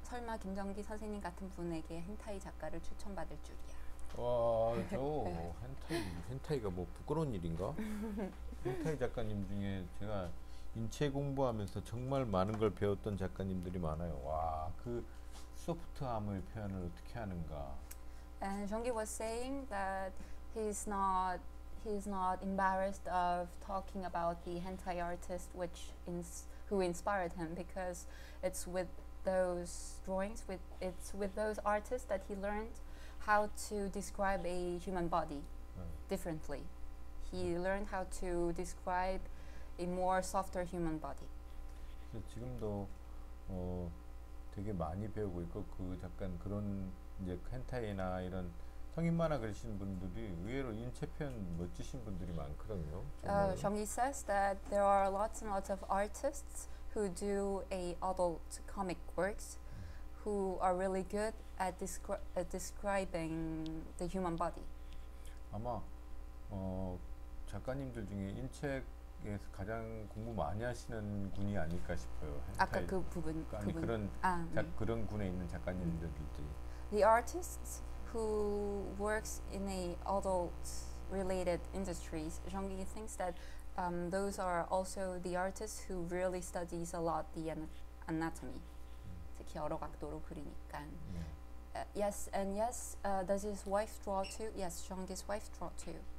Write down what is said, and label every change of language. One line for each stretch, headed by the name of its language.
Korean: 설마 김정기 선생님 같은 분에게 헨타이 작가를 추천받을 줄이야. 와, 저 헨타이가 뭐 부끄러운 일인가? 헨타이 작가님 중에 제가 인체 공부하면서 정말 많은 걸 배웠던 작가님들이 많아요. 와, 그 소프트함을 표현을 어떻게 하는가?
English: And Jong-gi was saying that he's not embarrassed of talking about the hentai artist who inspired him, because it's with those drawings, it's with those artists that he learned how to describe a human body differently. He learned how to describe a more softer human body.
Korean: 지금도 되게 많이 배우고 있고 그 잠깐 그런 이제 헨타이나 이런 성인 만화 그리신 분들이 의외로 인체 표현 멋지신 분들이 많거든요.
English: Jong-gi says that there are lots and lots of artists who do a adult comic works who are really good at describing the human body.
Korean: 아마 작가님들 중에 인체에서 가장 공부 많이 하시는 군이 아닐까 싶어요. 아까 헨타이. 그 부분 아니 그 그런 아, 자, 네. 그런 군에 있는 작가님들이.
English: The artists who works in a adult related industries, Jong-gi thinks that those are also the artists who really studies a lot the anatomy.
Korean: 특히 여러 각도로 그리니까.
English: Yes, and yes, does his wife draw too? Yes, Jong-gi's wife draw too.